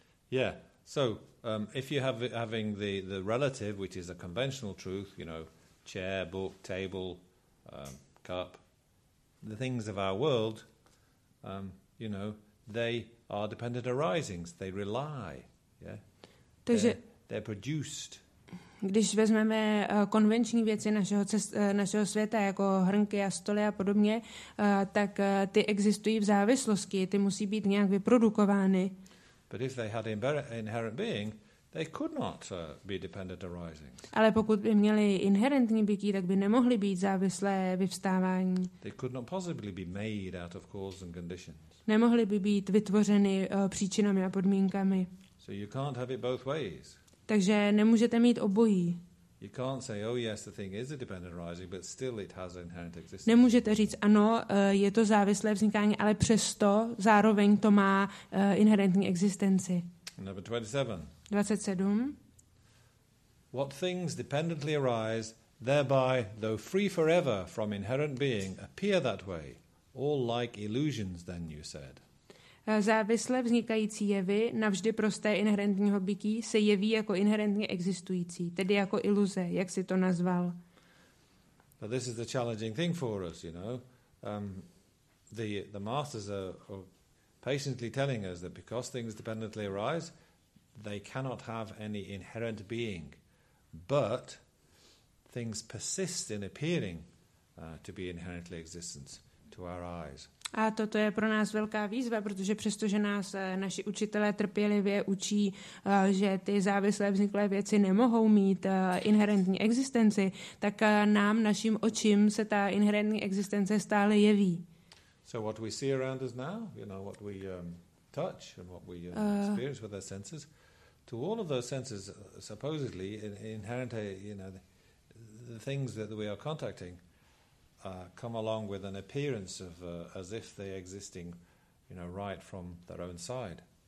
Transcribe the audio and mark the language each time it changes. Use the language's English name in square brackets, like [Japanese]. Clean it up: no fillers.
[English] Yeah, so if you have having the relative, which is a conventional truth, you know, chair, book, table, cup, the things of our world, you know, they are dependent arisings. They rely, yeah. They're produced. [Czech] Když vezmeme konvenční věci našeho světa, jako hrnky a stoly a podobně, tak ty existují v závislosti. Ty musí být nějak vyprodukovány. [English] But if they had inherent being, they could not be dependent arising. [Czech] Ale pokud by měli inherentní bytí, tak by nemohli být závislé vyvstávání. [English] They could not possibly be made out of causes and conditions. [Czech] Nemohli by být vytvořeny příčinami a podmínkami. [English] So you can't have it both ways. [Czech] Takže nemůžete mít obojí. [English] You can't say, oh yes, the thing is a dependent arising, but still it has inherent existence. [Czech] Nemůžete říct, ano, je to závislé vznikání, ale přesto zároveň to má inherentní existenci. [English] Number 27. What things dependently arise, thereby, though free forever from inherent being, appear that way, all like illusions, then you said. [Czech] Závisle vznikající jevy, navždy prosté inherentního bytí, se jeví jako inherentně existující, tedy jako iluze, jak si to nazval. [English] But this is the challenging thing for us, you know. The masters are patiently telling us that because things dependently arise, they cannot have any inherent being. But things persist in appearing to be inherently existent to our eyes. [Czech] A toto je pro nás velká výzva, protože přestože nás naši učitelé trpělivě učí, že ty závislé vzniklé věci nemohou mít inherentní existenci, tak nám, našim očím, se ta inherentní existence stále jeví. [English] So what we see around us now, you know, what we touch and what we experience with our senses, to all of those senses, supposedly, inherent, you know, the things that we are contacting, come along with an appearance of as if they existing, you know, right from their own side.